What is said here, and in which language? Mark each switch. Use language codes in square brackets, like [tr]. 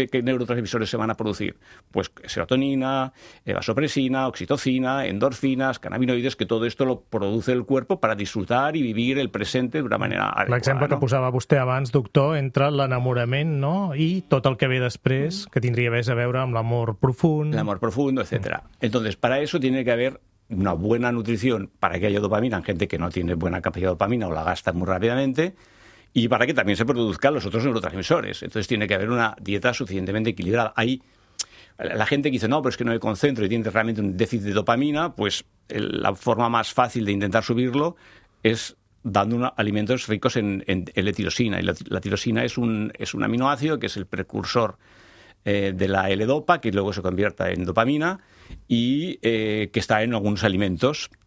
[es] ¿Qué neurotransmisores se van a producir? Pues serotonina, vasopresina, oxitocina, endorfinas, cannabinoides, que todo esto lo produce el cuerpo para disfrutar y vivir el presente de una manera adecuada. [ca] L'exemple, ¿no?, que posava vostè abans, doctor, entre l'enamorament, ¿no?, i tot el que ve després, que tindria més a veure amb l'amor profund. [es] L'amor profundo, etc. Entonces, para eso tiene que haber una buena nutrición para que haya dopamina en gente que no tiene buena capacidad de dopamina o la gasta muy rápidamente, y para que también se produzcan los otros neurotransmisores. Entonces tiene que haber una dieta suficientemente equilibrada. Hay la gente que dice, no, pero es que no me concentro y tiene realmente un déficit de dopamina, pues la forma más fácil de intentar subirlo es dando alimentos ricos en L-tirosina. Y la tirosina es un aminoácido que es el precursor de la L-dopa, que luego se convierte en dopamina, y que está en algunos alimentos.